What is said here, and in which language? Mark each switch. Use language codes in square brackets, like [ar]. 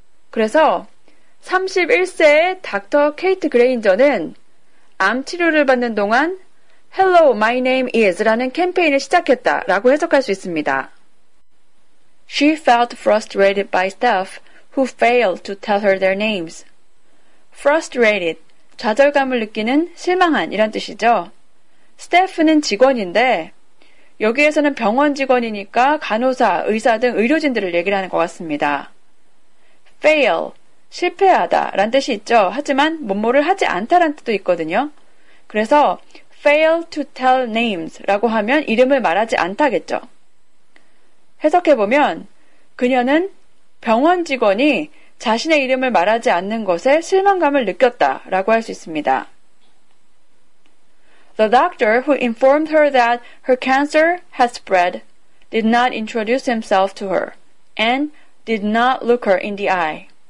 [ko] 그래서 31세의 닥터 케이트 그레인저는 암 치료를 받는 동안 Hello, my name is라는 캠페인을 시작했다라고 해석할 수 있습니다. [en] She felt frustrated by staff who failed to tell her their names. Frustrated. [ko] 좌절감을 느끼는 실망한 이런 뜻이죠. 스태프는 직원인데 여기에서는 병원 직원이니까 간호사, 의사 등 의료진들을 얘기를 하는 것 같습니다. fail, 실패하다 라는 뜻이 있죠. 하지만 뭐뭐를 하지 않다라는 뜻도 있거든요. 그래서 [en] fail to tell names [ko] 라고 하면 이름을 말하지 않다겠죠. 해석해보면 그녀는 병원 직원이 자신의 이름을 말하지 않는 것에 실망감을 느꼈다라고 할 수 있습니다. [en] The doctor who informed her that her cancer had spread did not introduce himself to her and did not look her in the eye.